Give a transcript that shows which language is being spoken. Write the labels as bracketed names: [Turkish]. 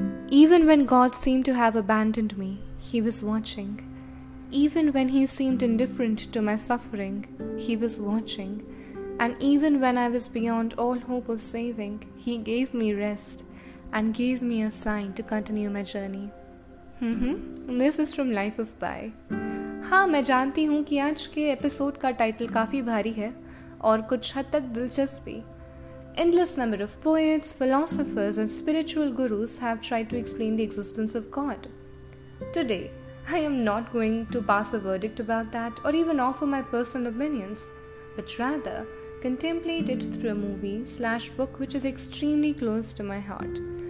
[English] Even when God seemed to have abandoned me, He was watching. Even when He seemed indifferent to my suffering, He was watching. And even when I was beyond all hope of saving, He gave me rest and gave me a sign to continue my journey. This is from Life of Pi. [Hindi] हाँ, मैं जानती हूँ कि आज के episode का title काफ़ी भारी है और कुछ हद तक दिलचस्प भी. [English] Endless number of poets, philosophers and spiritual gurus have tried to explain the existence of God. Today, I am not going to pass a verdict about that or even offer my personal opinions, but rather contemplate it through a movie / book which is extremely close to my heart.